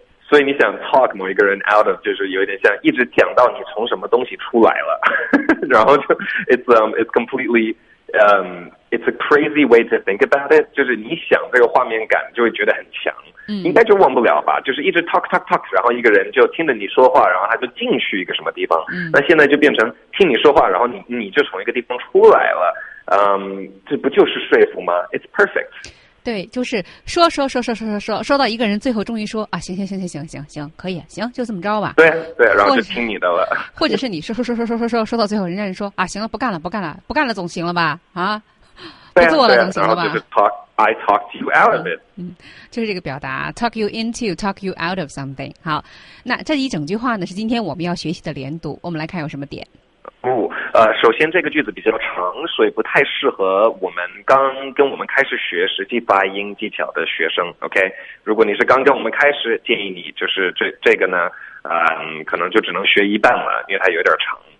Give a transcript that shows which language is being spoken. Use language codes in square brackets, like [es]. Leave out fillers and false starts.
[zh] 所以你想 talk 某一个人 out of， 就是有一点像一直讲到你从什么东西出来了，然后就 [en] it's completely it's a crazy way to think about it， [zh] 就是你想这个画面感就会觉得很强，应该就忘不了吧，就是一直 talk talk talk， 然后一个人就听着你说话，然后他就进去一个什么地方，那现在就变成听你说话，然后你就从一个地方出来了，这不就是说服吗？ [en] It's perfect。 [zh] 对，就是说说说说说说说说到一个人最后终于说啊，行行行行行行行，可以行，就这么着吧。对对，然后就听你的了，或者是你说说说说说说说说到最后，人家人说啊，行了，不干了不干了不干了，总行了吧，啊，不做了总行了吧。然后就是 [en] talk I talk to you out of it。 [zh] 就是这个表达 [en] talk you into talk you out of something。 [zh] 好，那这一整句话呢是今天我们要学习的连读，我们来看有什么点。首先这个句子比较长，所以不太适合我们刚跟我们开始学实际发音技巧的学生。 OK， 如果你是刚跟我们开始，建议你就是这个呢可能就只能学一半了，因为它有点长。